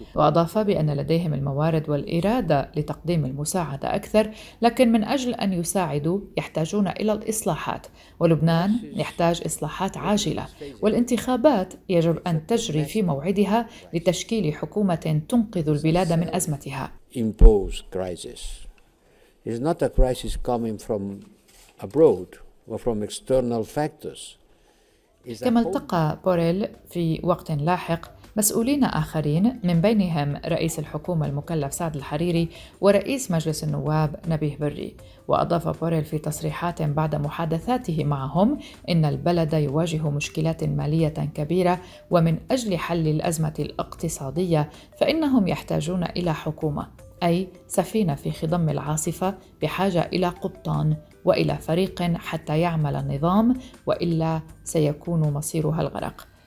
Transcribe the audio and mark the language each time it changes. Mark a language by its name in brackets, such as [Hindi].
[Arabic] وأضاف بأن لديهم الموارد والإرادة لتقديم المساعدة أكثر، لكن من أجل أن يساعدوا يحتاجون إلى الإصلاحات، ولبنان يحتاج إصلاحات عاجلة، والانتخابات يجب أن تجري في موعدها لتشكيل حكومة تنقذ البلاد من أزمتها. [English] Impose crisis is not a crisis coming from abroad or from external factors. [Arabic] كما التقى بوريل في وقت لاحق مسؤولين آخرين من بينهم رئيس الحكومة المكلف سعد الحريري ورئيس مجلس النواب نبيه بري. وأضاف بوريل في تصريحات بعد محادثاته معهم إن البلد يواجه مشكلات مالية كبيرة، ومن أجل حل الأزمة الاقتصادية فإنهم يحتاجون إلى حكومة، أي سفينة في خضم العاصفة بحاجة إلى قبطان وإلى فريق حتى يعمل النظام، وإلا سيكون مصيرها الغرق.